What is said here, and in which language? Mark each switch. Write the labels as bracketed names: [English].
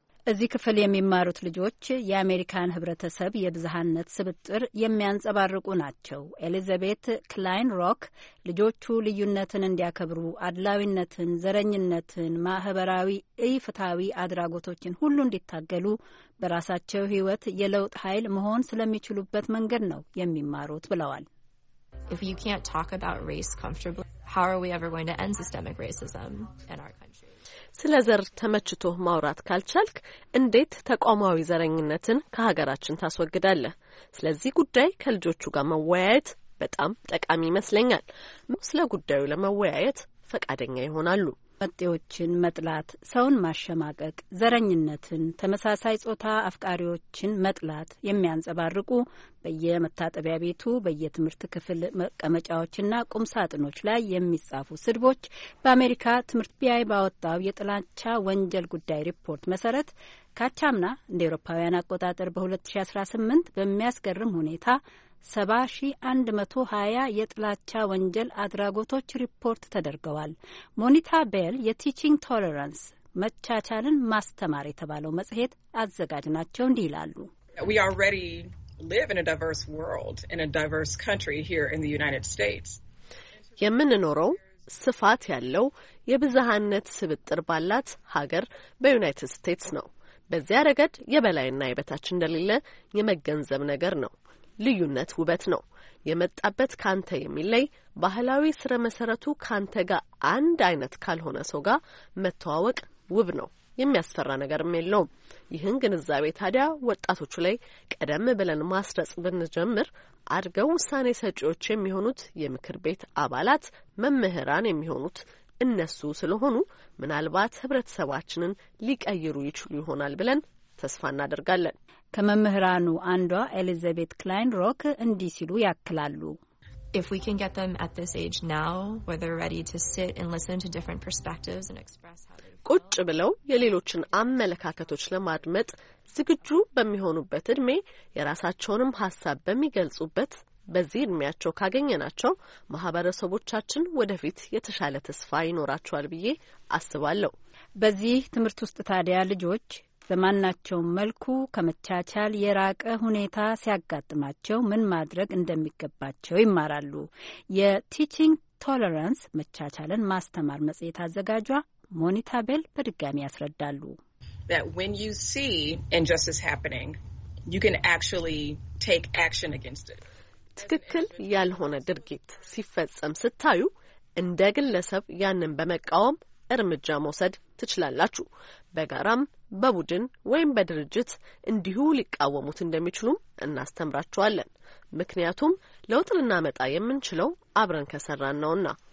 [Amharic] እዚህ ክፍል የሚማሩት ልጆች የአሜሪካን ህብረተሰብ የብዝሃነት ስብጥር የሚያንጸባርቁ ናቸው። ኤሊዛቤት ክላይን ሮክ ልጆቹ ልዩነትን እንዲያከብሩ፣ አድላዊነትን፣ ዘረኝነትን፣ ማህበራዊ ኢፍትሃዊ አድራጎቶችን ሁሉ እንዲታገሉ በራሳቸው ህይወት የለውጥ ኃይል መሆን ስለሚችሉበት መንገድ ነው የሚማሩት ብለዋል። [English] If you can't talk about race comfortably, how are we ever going to end systemic racism in our country? [Amharic] ስለ ዘር ተመችቶ ማውራት ካልቻልክ እንዴት ተቋማዊ ዘረኝነትን ከሀገራችን ታስወግዳለህ? ስለዚህ ጉዳይ ከልጆቹ ጋር መወያየት በጣም ጠቃሚ ይመስለኛል። ስለ ጉዳዩ ለመወያየት ፈቃደኛ ይሆናሉ። መጤዎችን መጥላት፣ ሰውን ማሸማቀቅ፣ ዘረኝነትን፣ ተመሳሳይ ጾታ አፍቃሪዎችን መጥላት የሚያንጸባርቁ በየመታጠቢያ ቤቱ፣ በየትምህርት ክፍል መቀመጫዎችና ቁም ሳጥኖች ላይ የሚጻፉ ስድቦች በአሜሪካ ትምህርት ቢያይ ባወጣው የጥላቻ ወንጀል ጉዳይ ሪፖርት መሰረት ካቻምና እንደ ኤሮፓውያን አቆጣጠር በ2018 በሚያስገርም ሁኔታ 70,120 የጥላቻ ወንጀል አድራጎቶች ሪፖርት ተደርገዋል። ሞኒታ ቤል የቲቺንግ ቶለራንስ መቻቻልን ማስተማር የተባለው መጽሔት አዘጋጅ ናቸው። እንዲህ ይላሉ። [English] We already live in a diverse world, in a diverse country here in the United States. [Amharic] የምንኖረው ስፋት ያለው የብዝሃነት ስብጥር ባላት ሀገር በዩናይትድ ስቴትስ ነው። በዚያ ረገድ የበላይና የበታች እንደሌለ የመገንዘብ ነገር ነው። ልዩነት ውበት ነው። የመጣበት ካንተ የሚለይ ባህላዊ ስረ መሰረቱ ካንተ ጋር አንድ አይነት ካልሆነ ሰው ጋር መተዋወቅ ውብ ነው። የሚያስፈራ ነገርም የለውም። ይህን ግንዛቤ ታዲያ ወጣቶቹ ላይ ቀደም ብለን ማስረጽ ብንጀምር አድገው ውሳኔ ሰጪዎች የሚሆኑት የምክር ቤት አባላት፣ መምህራን የሚሆኑት እነሱ ስለሆኑ ምናልባት ህብረተሰባችንን ሊቀይሩ ይችሉ ይሆናል ብለን ተስፋ እናደርጋለን። ከመምህራኑ አንዷ ኤሊዛቤት ክላይን ሮክ እንዲህ ሲሉ ያክላሉ። [English] If we can get them at this age now where they're ready to sit and listen to different perspectives and express how they feel. [Amharic] ቁጭ ብለው የሌሎችን አመለካከቶች ለማድመጥ ዝግጁ በሚሆኑበት እድሜ፣ የራሳቸውንም ሐሳብ በሚገልጹበት በዚህ እድሜያቸው ካገኘናቸው ማህበረሰቦቻችን ወደፊት የተሻለ ተስፋ ይኖራቸዋል ብዬ አስባለሁ። በዚህ ትምህርት ውስጥ ታዲያ ልጆች በማናቸው መልኩ ከመቻቻል የራቀ ሁኔታ ሲያጋጥማቸው ምን ማድረግ እንደሚገባቸው ይማራሉ። የቲቺንግ ቶለራንስ መቻቻልን ማስተማር መጽሔት አዘጋጇ ሞኒታ ቤል በድጋሚ ያስረዳሉ። [English] That when you see injustice happening, you can actually take action against it. [Amharic] ትክክል ያልሆነ ድርጊት ሲፈጸም ስታዩ እንደ ግለሰብ ያንን በመቃወም እርምጃ መውሰድ ትችላላችሁ። በጋራም በቡድን ወይም በድርጅት እንዲሁ ሊቃወሙት እንደሚችሉም እናስተምራቸዋለን። ምክንያቱም ለውጥ ልናመጣ የምንችለው አብረን ከሰራን ነውና።